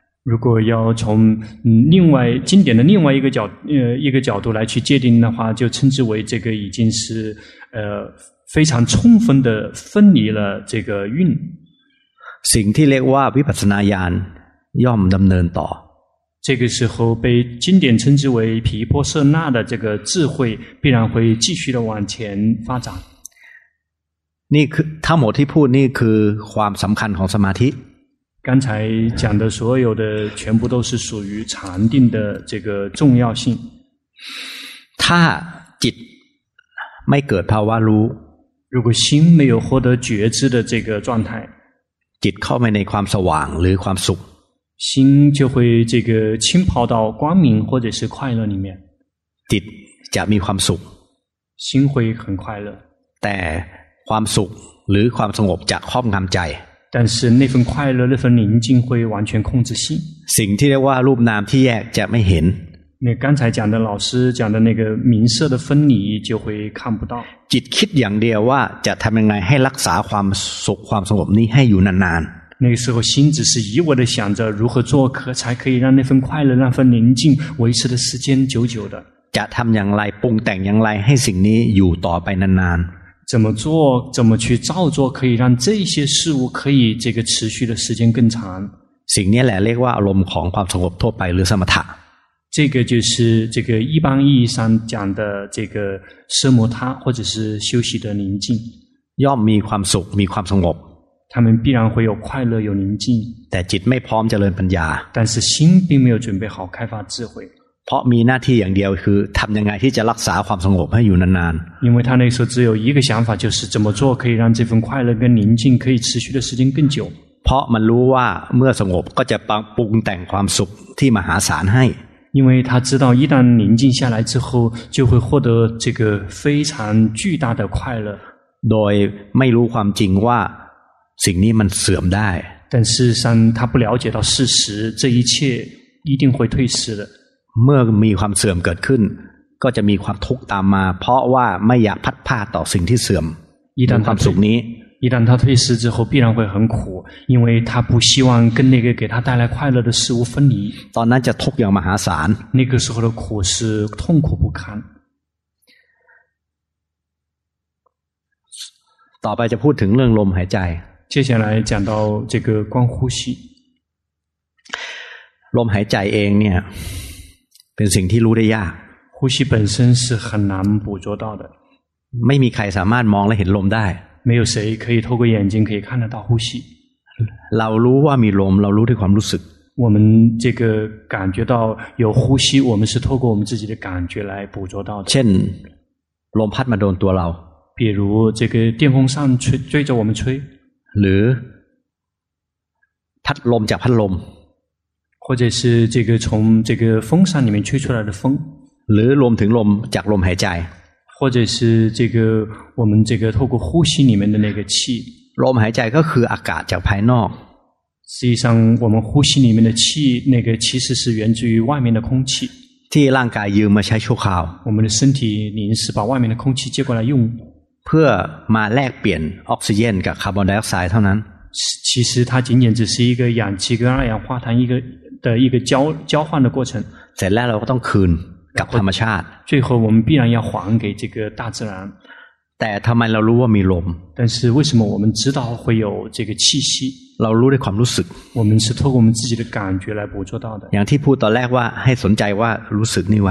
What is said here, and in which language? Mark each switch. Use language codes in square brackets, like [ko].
[zh] 如果要从另外经典的另外一个角一个角度来去界定的话就称之为这个已经是非常充分的分离了这个运 [th] สิ่งที่เรียกว่าวิปัสสนาญาณย่อมดำเนินต่อ [zh] 这个时候被经典称之为毗婆舍那的这个智慧必然会继续的往前发展 [th] นี่คือทั้งหมดที่พูดนี่คือความสำคัญของสมาธิ [zh] 刚才讲的所有的全部都是属于禅定的这个重要性 [th] ถ้าจิตไม่เกิดภาวะรู้ [zh] 如果心没有获得觉知的这个状态 [th] จิตเข้าไปในความสว่างหรือความสุข [zh] 心就会这个浸泡到光明或者是快乐里面 [th] จิตจะมีความสุข [zh] 心会很快乐 [th] แต่ความสุขหรือความสงบจะครอบงำใจ [zh] 但是那份快乐那份宁静会完全控制心 [th] สิ่งที่เรียกว่ารูปนามที่แยกจะไม่เห็น [zh] เนี่ย刚才讲的老师讲的那个名色的分离就会看不到 [th] จิตคิดอย่างเดียวว่าจะทำยังไงให้รักษาความสุขความสงบนี้ให้อยู่นานๆ [zh] 那个时候心只是一味的想着如何做可才可以让那份快乐那份宁静维持的时间久久的 [th] จะทำอย่างไรปรุงแต่งอย่างไรให้สิ่งนี้อยู่ต่อไปนานๆ [zh] 怎么做怎么去照做可以让这些事物可以这个持续的时间更长 [th] สิ่งนี้แหละเรียกว่าอารมณ์ของความสงบทั่วไปหรือสมถะ [zh] 这个就是这个一般意义上讲的这个奢摩他或者是休息的宁静 [th] ย่อมมีความสุขมีความสงบ [zh] 他们必然会有快乐有宁静 [th] แต่จิตไม่พร้อมเจริญปัญญา [zh] 但是心并没有准备好开发智慧 [th] เพราะมีหน้าที่อย่างเดียวคือทำยังไงที่จะรักษาความสงบให้อยู่นาน [zh] ๆ因为他那时候只有一个想法就是怎么做可以让这份快乐跟宁静可以持续的时间更久 [th] เพราะมันรู้ว่าเมื่อสงบก็จะปรุงแต่งความสุขที่มหาศาลให้ [zh] 因为他知道一旦宁静下来之后就会获得这个非常巨大的快乐 [th] โดยไม่รู้ความจริงว่าสิ่งนี้มันเสื่อมได้ [zh] 但事实上他不了解到事实这一切一定会退失的 [th] เมื่อมีความเสื่อมเกิดขึ้นก็จะมีความทุกข์ตามมาเพราะว่าไม่อยากพัดพาต่อสิ่งที่เสื่อมความสุขนี้ [zh] 一旦他退失之后必然会很苦因为他不希望跟那个给他带来快乐的事物分离 [th] ตอนนั้นจะทุกข์อย่างมหาศาล [zh] 那个时候的苦是痛苦不堪 [th] ต่อไปจะพูดถึงเรื่องลมหายใจ [zh] 接下来讲到这个观呼吸 [th] ลมหายใจเองเนี่ยเป็นสิ่งที่รู้ได้ยาก [zh] 呼吸本身是很难捕捉到的 [th] ไม่มีใครสามารถมองและเห็นลมได้ [zh] 没有谁可以透过眼睛可以看得到呼吸 [th] เรารู้ว่ามีลมเรารู้ด้วยความรู้สึก [zh] 我们这个感觉到有呼吸我们是透过我们自己的感觉来捕捉到的 [th] เช่นลมพัดมาโดนตัวเรา [zh] 比如这个电风扇吹追着我们吹 [th] หรือพัดลมจากพัดลม [zh] 或者是这个从这个风扇里面吹出来的风 [th] หรือลมถึงลมจากลมหายใจ [zh] 或者是这个我们这个透过呼吸里面的那个气 [th] ลมหายใจก็คืออากาศจากภายนอก [zh] 实际上我们呼吸里面的气那个其实是源自于外面的空气 [th] ที่ร่างกายยืมมาใช้ชั่วคราว [zh] 我们的身体临时把外面的空气接过来用 [th] เพื่อมาแลกเปลี่ยนออกซิเจนกับคาร์บอนไดออกไซด์เท่านั้น [zh] 其实它仅仅只是一个氧气跟二氧化碳一个的一个交换的过程 [th] เสร็จแล้วเราก็ต้องคืนกับธรรมชาติ [zh] 最后我们必然要还给这个大自然 [th] แต่ทำไมเรารู้ว่ามีลม [zh] 但是为什么我们知道会有这个气息 [th] เรารู้ด้วยความรู้สึก [zh] 我们是透过我们自己的感觉来捕捉到的 [th] อย่างที่พูดตอนแรกว่าให้สนใจว่ารู้สึกนี่ไว